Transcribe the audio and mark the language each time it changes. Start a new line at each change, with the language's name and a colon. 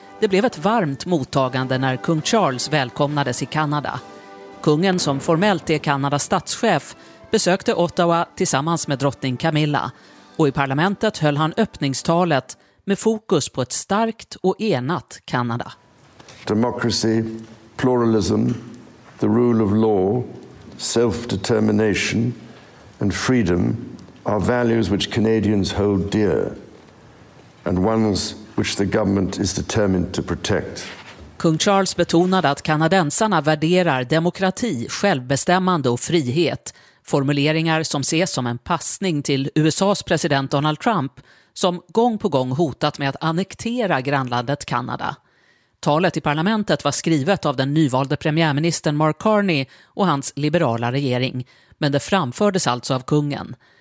Swedish: Det blev ett varmt mottagande när kung Charles välkomnades i Kanada. Kungen, som formellt är Kanadas statschef, besökte Ottawa tillsammans med drottning Camilla, och i parlamentet höll han öppningstalet med fokus på ett starkt och enat Kanada.
English: Democracy, pluralism, the rule of law, self-determination and freedom are values which Canadians hold dear and ones which the government is determined to protect.
Swedish: Kung Charles betonade att kanadensarna värderar demokrati, självbestämmande och frihet. Formuleringar som ses som en passning till USA:s president Donald Trump, som gång på gång hotat med att annektera grannlandet Kanada. Talet i parlamentet var skrivet av den nyvalde premiärministern Mark Carney och hans liberala regering, men det framfördes alltså av kungen.